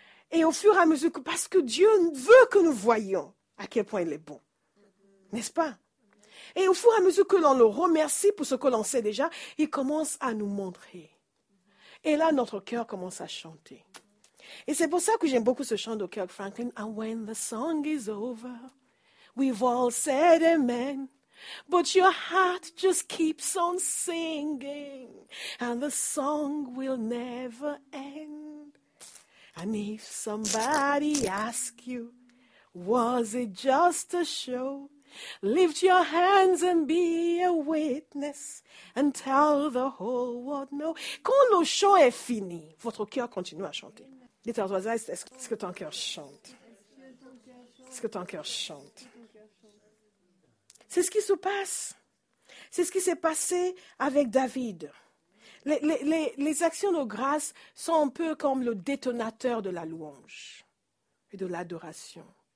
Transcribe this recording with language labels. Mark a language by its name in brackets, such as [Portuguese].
[French] Et au fur et à mesure, parce que Dieu veut que nous voyions à quel point il est bon, n'est-ce pas? Et au fur et à mesure que l'on le remercie pour ce que l'on sait déjà, il commence à nous montrer. Et là, notre cœur commence à chanter. Et c'est pour ça que j'aime beaucoup ce chant de Kirk Franklin. [English] And when the song is over, we've all said amen. But your heart just keeps on singing. And the song will never end. And if somebody asks you, was it just a show? Lift your hands and be a witness and tell the whole world no. [French] Quand le chant est fini, votre cœur continue à chanter. Dites à voisin, est-ce que ton cœur chante? Est-ce que ton cœur chante? C'est ce qui se passe. C'est ce qui s'est passé avec David. Les actions de grâce sont un peu comme le détonateur de la louange et de l'adoration.